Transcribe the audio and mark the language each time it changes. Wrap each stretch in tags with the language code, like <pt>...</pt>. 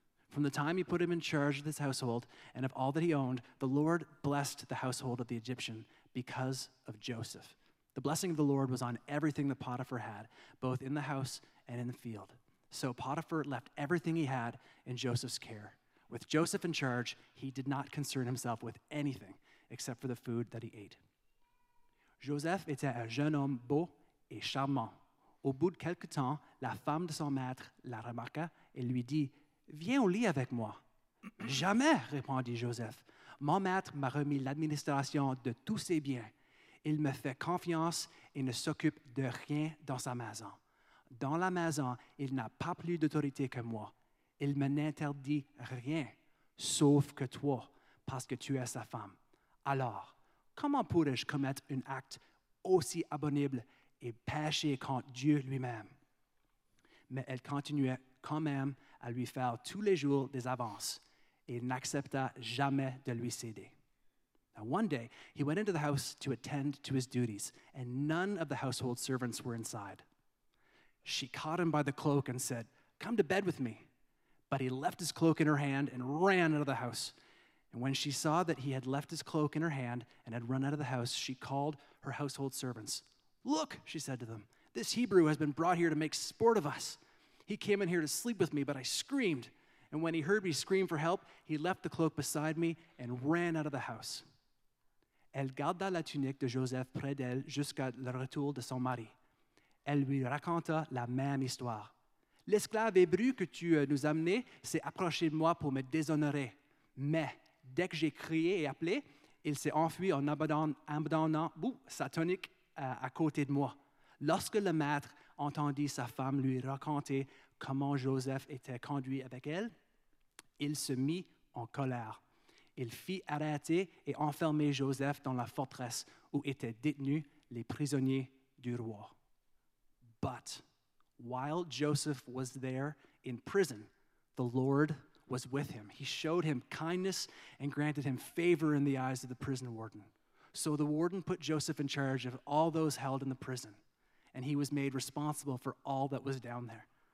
<en>From the time he put him in charge of his household and of all that he owned, the Lord blessed the household of the Egyptian because of Joseph. The blessing of the Lord was on everything that Potiphar had, both in the house and in the field. So Potiphar left everything he had in Joseph's care. With Joseph in charge, he did not concern himself with anything except for the food that he ate.</en> <fr>Joseph était un jeune homme beau et charmant. Au bout de quelque temps, la femme de son maître la remarqua et lui dit, « Viens au lit avec moi. »« Jamais, » répondit Joseph. « Mon maître m'a remis l'administration de tous ses biens. Il me fait confiance et ne s'occupe de rien dans sa maison. Dans la maison, il n'a pas plus d'autorité que moi. Il me n'interdit rien, sauf que toi, parce que tu es sa femme. Alors, comment pourrais-je commettre un acte aussi abominable et péché contre Dieu lui-même? » Mais elle continuait quand même à lui faire tous les jours des avances, et il n'accepta jamais de lui céder.</fr> <en>Now one day, he went into the house to attend to his duties, and none of the household servants were inside. She caught him by the cloak and said, "Come to bed with me." But he left his cloak in her hand and ran out of the house. And when she saw that he had left his cloak in her hand and had run out of the house, she called her household servants. "Look," she said to them, "this Hebrew has been brought here to make sport of us. He came in here to sleep with me, but I screamed. And when he heard me scream for help, he left the cloak beside me and ran out of the house."</en> <fr>Elle garda la tunique de Joseph près d'elle jusqu'à le retour de son mari. Elle lui raconta la même histoire. L'esclave hébreu que tu nous as amené s'est approché de moi pour me déshonorer. Mais dès que j'ai crié et appelé, il s'est enfui en abandonnant sa tunique à côté de moi. Lorsque le maître entendit sa femme lui raconter comment Joseph était conduit avec elle, il se mit en colère. Il fit arrêter et enfermer Joseph dans la forteresse où étaient détenus les prisonniers du roi.</fr> <en>But while Joseph was there in prison, the Lord was with him. He showed him kindness and granted him favor in the eyes of the prison warden. So the warden put Joseph in charge of all those held in the prison, and he was made responsible for all that was down there.</en>